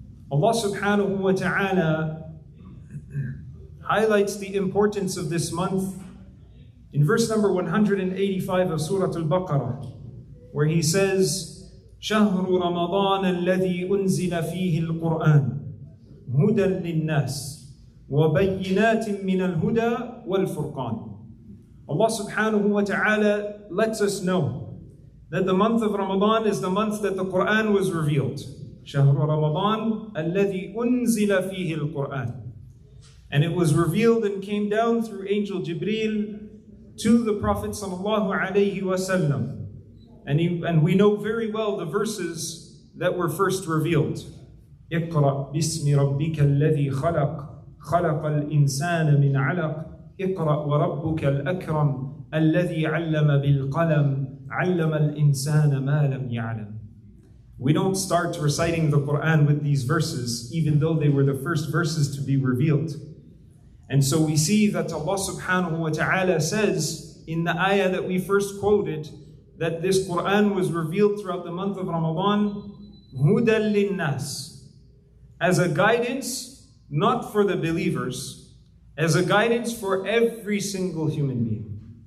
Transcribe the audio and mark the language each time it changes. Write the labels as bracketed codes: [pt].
[en] Allah subhanahu wa ta'ala highlights the importance of this month in verse number 185 of Surah Al-Baqarah, where he says, [ar] شهر رمضان الذي أنزل فيه القرآن هدى للناس وبينات من الهدى والفرقان. [en] Allah subhanahu wa ta'ala lets us know that the month of Ramadan is the month that the Quran was revealed. [ar] شهر رمضان الذي أنزل فيه القرآن. [en] And it was revealed and came down through Angel Jibreel to the Prophet ﷺ. And we know very well the verses that were first revealed. [ar] اقرأ باسم ربك الذي خلق خلق الإنسان من علق اقرأ وربك الأكرم الذي علم بالقلم علم الإنسان ما لم يعلم. [en] We don't start reciting the Quran with these verses, even though they were the first verses to be revealed. And so we see that Allah subhanahu wa ta'ala says in the ayah that we first quoted that this Quran was revealed throughout the month of Ramadan, [ar] هُدًى لِلنَّاسِ, [en] as a guidance, not for the believers, as a guidance for every single human being.